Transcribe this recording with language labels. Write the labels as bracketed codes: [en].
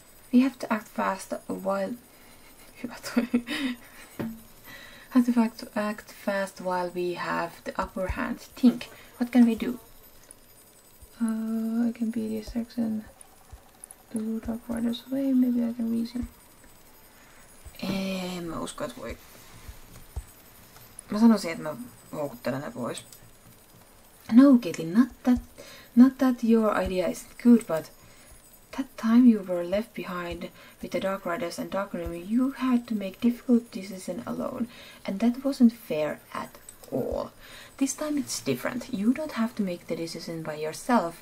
[en] We have to act fast while... we have the upper hand. Think, what can we do? I can be a distraction. The loot up right away, maybe I can reason. [fi] Mä usko, et voi. Mä sanoisin, että mä houkuttelen ne pois. [en] No, Kitty, not that your idea isn't good, but that time you were left behind with the Dark Riders and Dark Room, you had to make difficult decisions alone, and that wasn't fair at all. This time it's different. You don't have to make the decision by yourself.